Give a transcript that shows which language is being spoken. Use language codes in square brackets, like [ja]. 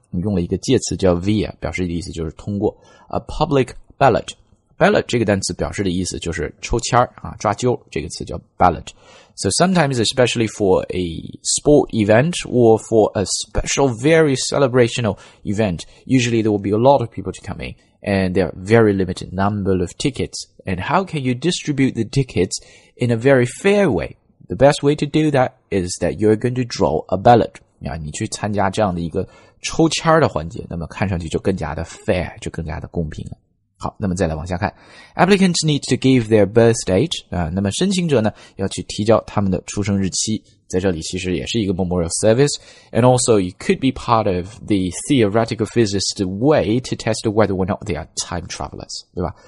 [zh] 你用了一个介词叫 [en] via, [zh] 表示的意思就是通过 [en] a public ballot, ballot 这个单词 [zh] 表示的意思就是抽签、抓阄，这个词叫 [en] ballot, so sometimes especially for a sport event or for a special very celebrational event, usually there will be a lot of people to come in and there are very limited number of tickets, and how can you distribute the tickets in a very fair way? The best way to do that is that you're going to draw a ballot. [zh] 你去参加这样的一个抽签的环节，那么看上去就更加的 [en] fair, [zh] 就更加的公平了。好，那么再来往下看。 [en] Applicants need to give their birth date,、 [zh] 那么申请者呢要去提交他们的出生日期，在这里其实也是一个 [en] memorial service, and also it could be part of the theoretical physicist's way to test whether or not they are time travelers, [zh] 对吧？